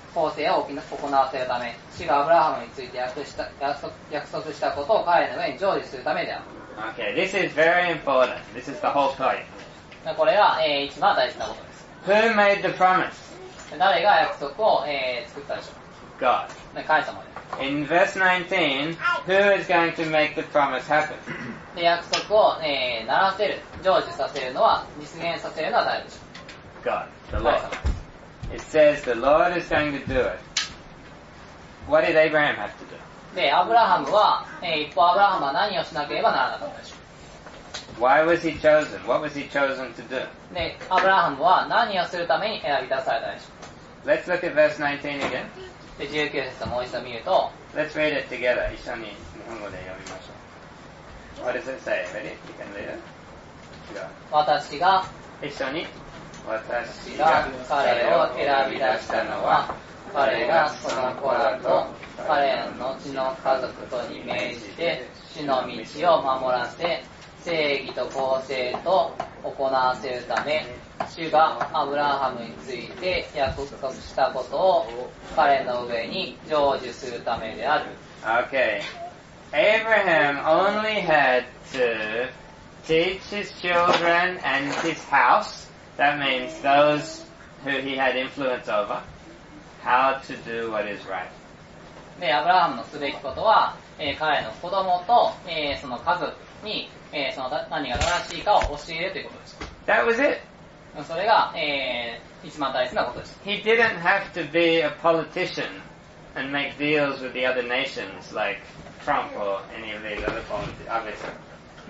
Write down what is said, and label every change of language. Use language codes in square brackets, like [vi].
[ja] 構成を行わせるため、主がアブラハムについて約束したことを彼の上に成就するためである。 [en] Okay, this is very important. This is the whole point. [ja] これは、一番大事なことです。 [en] Who made the promise? [ja] 誰が約束を、作ったでしょう。 [en] God. [ja] 神様です。 [en] In verse 19, who is going to make the promise happen? [ja] で、約束を、ならせる、成就させるのは、実現させるのは誰でしょう。 [en] God, the Lord. It says the Lord is going to do it. What did Abraham have to do? [ja] で、アブラハムは、一方アブラハムは何をしなければならなかったでしょう。 [en] Why was he chosen? What was he chosen to do? [ja] で、アブラハムは何をするために選び出されたでしょう。 [en] Let's look at verse 19 again. [ja] で、19節をもう一度見ると。 [en] Let's read it together. [ja] 一緒に日本語で読みましょう。 [en] What does it say? Ready? You can read it. [ja] 私が。一緒に。私が彼を選び出したのは、彼がその子らと彼の後の家族とに命じて主の道を守らせ、正義と公正と行わせるため、主がアブラハムについて約束したことを彼の上に成就するためである。 [en] Okay. Abraham only had to teach his children and his house, that means those who he had influence over, how to do what is right. [ja] で、アブラハムのすべきことは、彼の子供と、その家族に、その何が正しいかを教えるということです。 [en] That was it. [ja] それが、一番大切なことです。 [en] He didn't have to be a politician and make deals with the other nations like Trump or any of these other politicians, obviously.